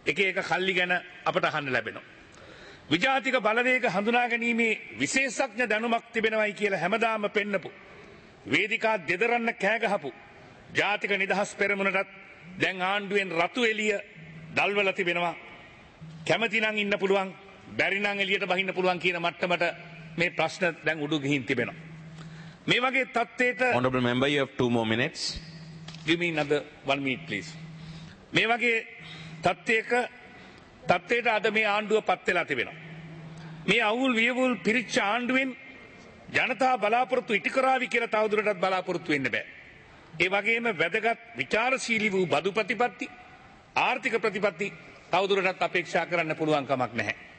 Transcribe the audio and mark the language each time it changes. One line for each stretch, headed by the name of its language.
Sinhala: එක එක කල්ලි ගැන අපට අහන්න ලැබෙනවා. විජාතික බලවේග හඳුනා ගැනීමේ විශේෂඥ දැනුමක් තිබෙනවයි කියලා හැමදාම පෙන්නපු වේදිකා දෙදරන්න කෑ ගහපු ජාතික නිදහස් පෙරමුණටත් දැන් ආණ්ඩුවෙන් රතු එළිය දල්වලා තිබෙනවා. කැමතිනම් ඉන්න පුළුවන්, බැරි නම් එළියට බහින්න පුළුවන් කියන මට්ටමට මේ ප්‍රශ්න දැන් උඩු ගිහින් තිබෙනවා. මේ වගේ තත්ත්වයක
English: Honorable Member, you have two more minutes. Give me another one minute, please.
Sinhala: මේ වගේ තත්ත්වයට අද මේ ආණ්ඩුව පත් වෙලා තිබෙනවා. මේ අවුල් වියවුල් පිරිච්ච ආණ්ඩුවෙන් ජනතා බලාපොරොත්තු ඉටු කරાવી කියලා තවදුරටත් බලාපොරොත්තු වෙන්න බෑ. ඒ වගේම වැදගත් විචාරශීලී වූ බදු ප්‍රතිපත්ති ආර්ථික ප්‍රතිපත්ති තවදුරටත් අපේක්ෂා කරන්න පුළුවන් කමක් නැහැ.